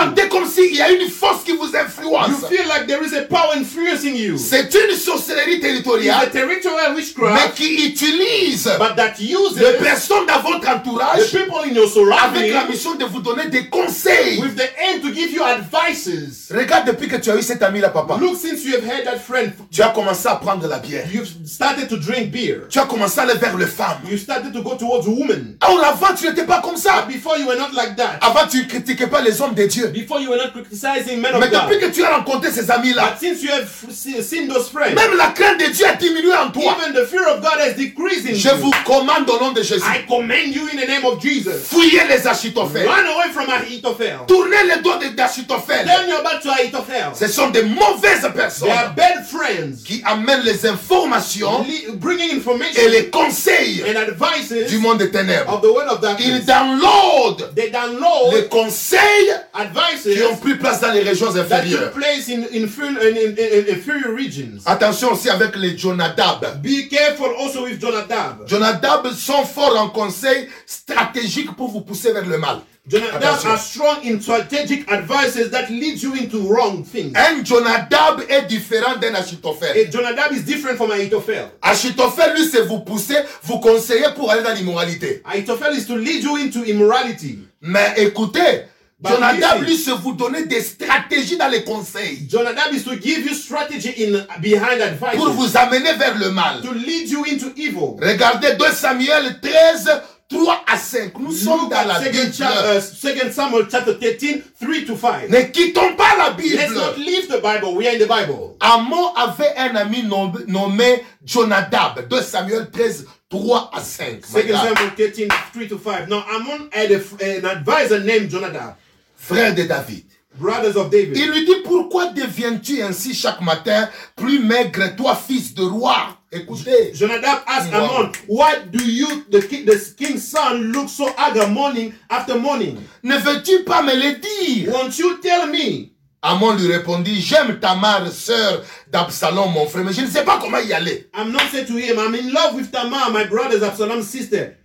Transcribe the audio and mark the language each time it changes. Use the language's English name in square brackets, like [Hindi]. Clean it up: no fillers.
[French] sentez comme si il y a une force qui vous influence. [English] You feel like there is a power influencing you. [French] C'est une sorcellerie territoriale. [English] It's a territorial witchcraft. [French] Mais qui utilise, [English] but that uses, [French] les personnes dans votre entourage, [English] the people in your surroundings, [French] avec la mission de vous donner des conseils, [English] with the aim to give you advices. [French] Regarde depuis que tu as eu cet ami là, papa. [English] Look, since you have had that friend, [French] tu as commencé à prendre la bière. [English] You've started to drink beer. [French] Tu as commencé à aller vers les femmes. [English] You started to go towards women. [French] Oh, avant tu n'étais pas comme ça. [English] Before you were not like that. [French] Avant tu critiquais pas les hommes de Dieu. [English] Before you were not criticizing men of God. [French] Mais depuis [English] God. [French] Que tu as rencontré ces amis là. [English] But since you have seen those friends. [French] Même la crainte de Dieu a diminué en toi. [English] Even the fear of God has decreased in [French] Je vous commande au nom de Jésus. [English] I command you in the name of Jesus. [French] Fuyez les Achitophel. [English] Run away from Achitophel. [French] Tournez les doigts de Achitophel. [English] Turn your back to Achitophel. [French] Ce sont des mauvaises personnes. [English] They are bad friends. [French] Qui amènent les informations. [English] Bringing information. [French] Et les conseils. [English] And advices. [French] Du monde des ténèbres. [English] Of the word of darkness. They download [French] les conseils, [English] advices [French] qui ont pris place dans les régions inférieures. [English] That place in inferior regions. [French] Attention aussi avec les Jonadab. [English] Be careful also with Jonadab. [French] Jonadab sont forts en conseils stratégiques pour vous pousser vers le mal. Jonadab Attention. [English] Are strong in strategic advices that lead you into wrong things. And [French] Jonadab est différent d'un Achitophel. Et [English] Jonadab is different from Ahithophel. [French] Achitophel, lui, c'est vous pousser, vous conseiller pour aller dans l'immoralité. [English] Ahithophel is to lead you into immorality. [French] Mais écoutez, [English] but [French] Jonadab, lui, c'est vous donner des stratégies dans les conseils. [English] Jonadab is to give you strategy in behind advice. [French] Pour vous amener vers le mal. [English] To lead you into evil. [French] Regardez 2 Samuel 13. 3 à 5, nous [English] Luke [French] sommes dans la [English] second Samuel chapter 13, 3 to 5. [French] Ne quittons pas la Bible. [English] Let's not leave the Bible, we are in the Bible. [French] Amon avait un ami nommé Jonadab, 2 Samuel 13, 3 à 5. [English] Second Samuel 13, 3 to 5. Now Amon had an advisor named Jonadab. [French] Frère de David. [English] Brothers of David. [French] Il lui dit, pourquoi deviens-tu ainsi chaque matin plus maigre, toi fils de roi? Écoutez. [English] Jonadab asked Amon, why do you, the king's son, look so ugly morning after morning? [French] Ne veux-tu pas me le dire? [English] Won't you tell me? [French] Amon lui répondit, j'aime Tamar, sœur d'Absalom, mon frère, mais je ne sais pas comment y aller. [English] I'm not saying to him, I'm in love with Tamar, my brother's Absalom's sister.